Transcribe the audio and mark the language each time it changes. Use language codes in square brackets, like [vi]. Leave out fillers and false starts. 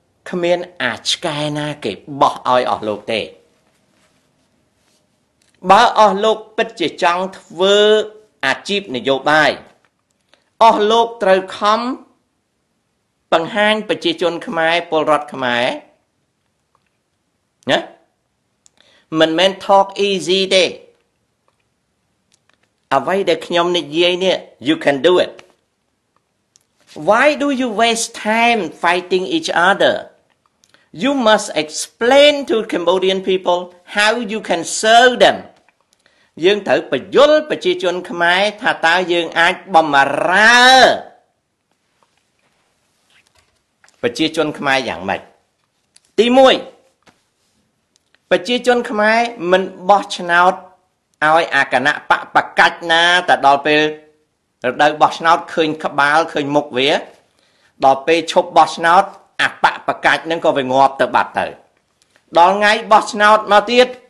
[km] គ្មានអាឆ្កែណាគេបោះឲ្យអស់លោកទេបើអស់លោកពិតជាចង់ធ្វើអាជីពនយោបាយអស់លោកត្រូវខំបង្ហាញប្រជាជនខ្មែរពលរដ្ឋខ្មែរ ណាមិនមែន [en] talk easy [km] ទេអ្វីដែលខ្ញុំនិយាយនេះ [en] you can do itWhy do you waste time fighting each other? You must explain to Cambodian people how you can serve them. [km] យើងត្រូវបញ្យល់ប្រជាជនខ្មែរថាតើយើងអាចបំរើប្រជាជនខ្មែរយ៉ាងម៉េច? ទី1ប្រជាជនខ្មែរមិនបោះឆ្នោតឲ្យអាគណៈបកប្រកាច់ណាទៅដល់ពេលរដូវបោះឆ្នោតឃើញក្បាលឃើញមុខវាដល់ពេលឈប់បោះឆ្នោតអបប្រកាច់នឹងក៏វាងាប់ទៅបាត់ទៅដល់ថ្ងៃបោះឆ្នោតមកទៀត